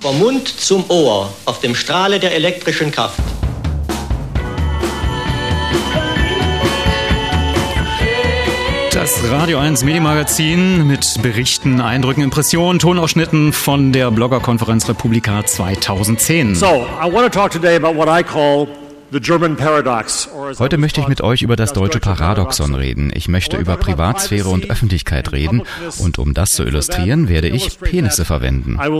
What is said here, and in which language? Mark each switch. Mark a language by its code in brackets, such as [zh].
[de] Vom Mund zum Ohr auf dem Strahle der elektrischen Kraft. Das Radio 1 Medienmagazin mit Berichten, Eindrücken, Impressionen, Tonausschnitten von der Bloggerkonferenz Republika 2010. [en] So, I want to talk today about what I call the German paradox. [de] Heute möchte ich mit euch über das deutsche Paradoxon reden. Ich möchte über Privatsphäre und Öffentlichkeit reden. Und um das zu illustrieren, werde ich Penisse verwenden.